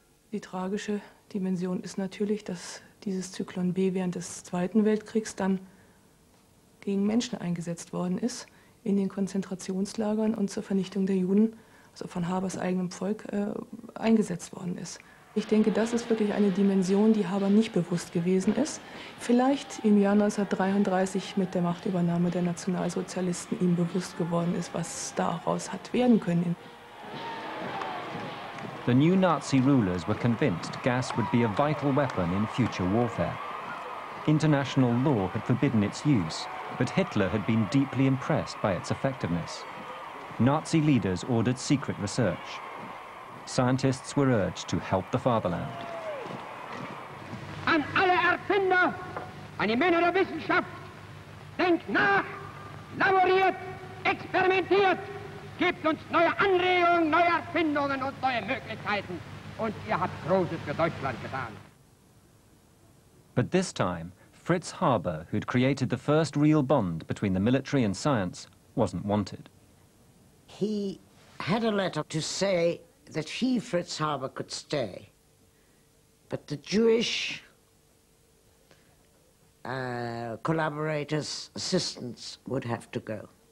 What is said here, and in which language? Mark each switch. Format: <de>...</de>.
<de>Die tragische Dimension ist natürlich, dass dieses Zyklon B während des Zweiten Weltkriegs dann gegen Menschen eingesetzt worden ist, in den Konzentrationslagern und zur Vernichtung der Juden, also von Habers eigenem Volk, eingesetzt worden ist. Ich denke, das ist wirklich eine Dimension, die Haber nicht bewusst gewesen ist. Vielleicht im Jahr 1933 mit der Machtübernahme der Nationalsozialisten ihm bewusst geworden ist, was daraus hat werden können.</de> <en>The new Nazi rulers were convinced gas would be a vital weapon in future warfare. International law had forbidden its use, but Hitler had been deeply impressed by its effectiveness. Nazi leaders ordered secret research. Scientists were urged to help the fatherland.</en> <de>An alle Erfinder, an die Männer der Wissenschaft, denkt nach, laboriert, experimentiert! Gebt uns neue Anregungen, neue Erfindungen und neue Möglichkeiten. Und ihr habt Großes für Deutschland getan.</de> <en>But this time, Fritz Haber, who'd created the first real bond between the military and science, wasn't wanted. He had a letter to say that he, Fritz Haber, could stay. But the Jewish collaborators, assistants, would have to go.</en>